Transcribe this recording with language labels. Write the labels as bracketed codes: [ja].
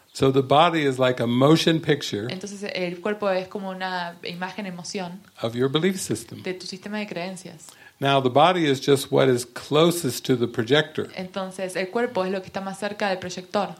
[en] So the body is like a motion picture. [es] Entonces el cuerpo es como una imagen en moción. [en] Of your belief system. [es] De tu sistema de creencias. [en] Now the body is just what is closest to the projector. [es] Entonces el cuerpo es lo que está más cerca del proyector.